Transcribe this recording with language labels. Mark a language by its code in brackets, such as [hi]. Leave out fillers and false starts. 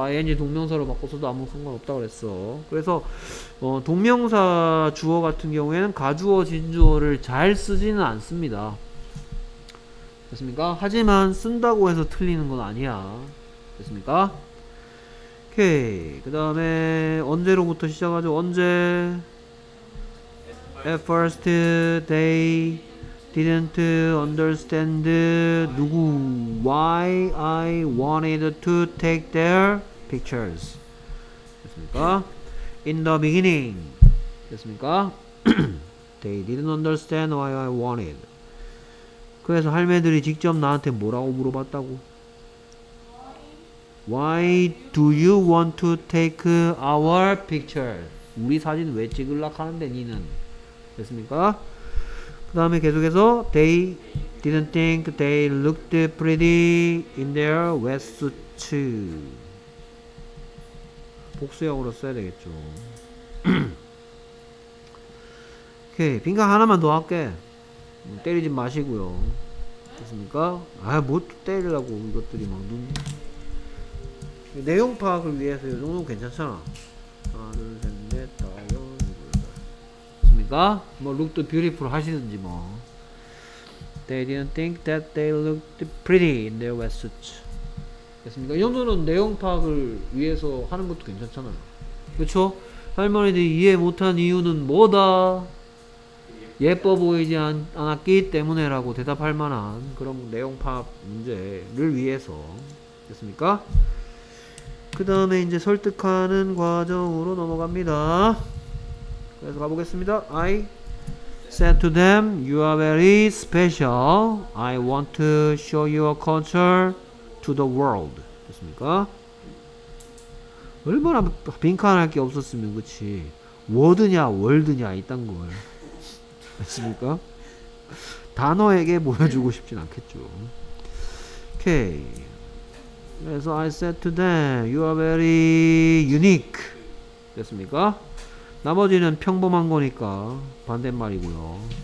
[ko] ing 동명사로 바꿨어도 아무 상관없다 그랬어. 그래서 동명사 주어 같은 경우에는 가주어 진주어를 잘 쓰지는 않습니다. 됐습니까? 하지만 쓴다고 해서 틀리는 건 아니야. 됐습니까? 오케이. 그 다음에 언제로부터 시작하죠? 언제? [en] At first they didn't understand 누구 why I wanted to take their pictures. [ko] 됐습니까? [en] In the beginning. 됐습니까? They didn't understand why I wanted. [ko] 그래서 할매들이 직접 나한테 뭐라고 물어봤다고? [en] Why do you want to take our picture? [ko] 우리 사진 왜 찍으려고 하는데 니는? 됐습니까? 그 다음에 계속해서 [en] They didn't think they looked pretty in their wet suits. [ko] 복수형으로 써야 되겠죠. 오케이. 빈칸 하나만 더 할게. 때리지 마시고요. 됐습니까? 아, 뭐 또 때리려고 이것들이 막 눈. 내용 파악을 위해서 이 정도면 괜찮잖아. 하나, 둘, 셋, 넷, 다섯, 일곱, 여덟. 됐습니까? 뭐, [en] looked beautiful [ko] 하시든지 뭐. [en] They didn't think that they looked pretty in their wet suits. [ko] 됐습니까? 이 정도는 내용 파악을 위해서 하는 것도 괜찮잖아요. 그쵸? 할머니들이 이해 못한 이유는 뭐다? 예뻐 보이지 않았기 때문에 라고 대답할 만한 그런 내용 파악 문제를 위해서 됐습니까? 그 다음에 이제 설득하는 과정으로 넘어갑니다. 그래서 가보겠습니다. [en] I said to them you are very special. I want to show your culture to the world. [ko] 됐습니까? 얼마나 빈칸할 게 없었으면 그치. 워드냐 월드냐 이딴 걸 했습니까? 단어에게 보여주고 싶진 않겠죠. 오케이. [en] 그래서 I said to them, you are very unique. [ko] 됐습니까? 나머지는 평범한 거니까 반대말이고요.